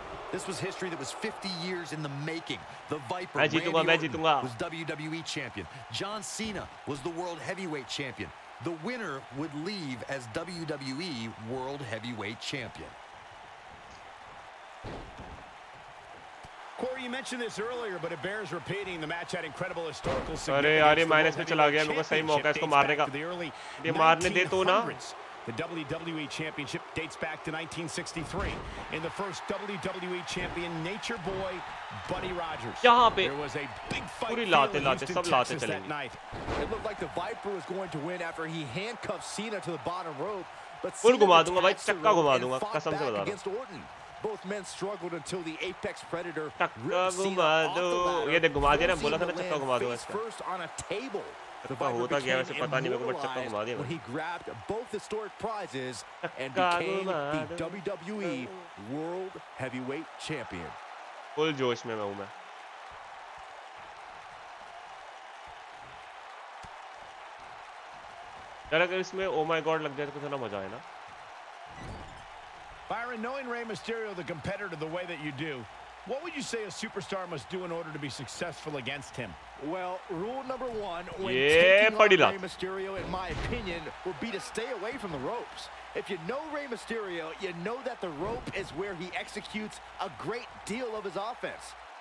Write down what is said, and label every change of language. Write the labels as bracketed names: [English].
[English] This was history that was 50 years in the making. The Viper was WWE champion. John Cena was the World Heavyweight champion. The winner would leave as WWE World Heavyweight champion. Corey, you mentioned this earlier, but it bears repeating. The match had incredible historical significance. [Hindi] अरे यार ये minus में चला गया, मेरे को सही मौका है इसको मारने का। ये मारने दे तो ना। [English] The WWE Championship dates back to 1963 in the first WWE champion Nature Boy Buddy Rogers. [Hindi] यहां पे [English] there was a big fight. [Hindi] पूरी लाते लाते सब लाते चलेंगे। [English] It looked like the Viper was going to win after he handcuffed Cena to the bottom rope, but [Hindi] full घुमा दूंगा भाई, चक्का घुमा दूंगा, कसम से बता रहा हूं। [English] Both men struggled until the Apex Predator [Hindi] ये देख घुमा दिया ना, बोला था ना चक्का घुमा दूंगा। [English] First on a table. [Hindi] चक्का होता गया वैसे पता नहीं, मेरे को बट चक्का घुमा दिया। [English] He grabbed both historic prizes and became the WWE World Heavyweight Champion. [Hindi] Full जोश में हूं मैं। यार अगर इसमें ओ माय गॉड लग जाए तो कितना मजा आए ना। [English] Byron, knowing Rey Mysterio, the competitor, the way that you do, what would you say a superstar must do in order to be successful against him? Well, rule number one when taking on Rey Mysterio, in my opinion, would be to stay away from the ropes. If you know Rey Mysterio, you know that the rope is where he executes a great deal of his offense.